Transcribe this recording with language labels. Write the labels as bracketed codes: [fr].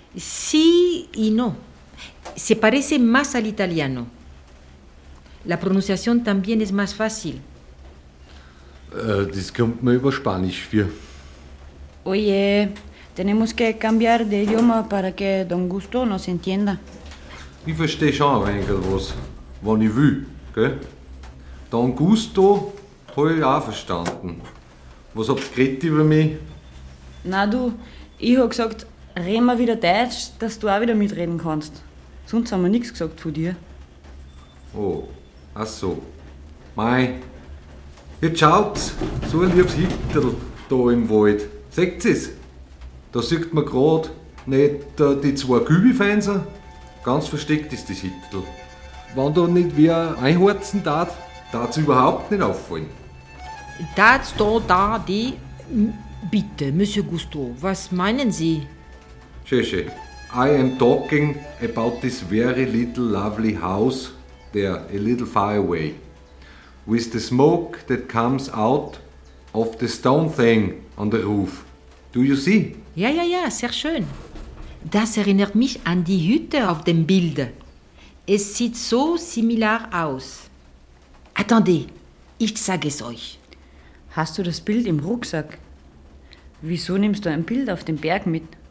[es] Sí y no. Se parece más al italiano. La pronunciación también es más fácil. [de] Das kommt mir über Spanisch für. [es] Oye, tenemos que cambiar de idioma para que Don Gusto nos entienda. [de] Ich verstehe schon ein wenig was, wenn ich will, gell? Don Gusto habe ich auch verstanden. Was habt ihr geredet über mich? Na du, ich hab gesagt, reden wir wieder Deutsch, dass du auch wieder mitreden kannst. Sonst haben wir nichts gesagt von dir. Oh, ach so. Mei, jetzt schaut's, so ein liebes Hitterl da im Wald. Seht ihr's? Da sieht man gerade nicht die zwei Kübelfenster. Ganz versteckt ist das Hitterl. Wenn da nicht wer einhorzen darf, darf's überhaupt nicht auffallen. Das da, da, die. Bitte, Monsieur Gusteau, was meinen Sie? [en] Schöne, I am talking about this very little lovely house there, a little far away. With the smoke that comes out of the stone thing on the roof. Do you see? [de] Ja, ja, ja, sehr schön. Das erinnert mich an die Hütte auf dem Bild. Es sieht so similar aus. Attendez, ich sage es euch. Hast du das Bild im Rucksack? Wieso nimmst du ein Bild auf dem Berg mit?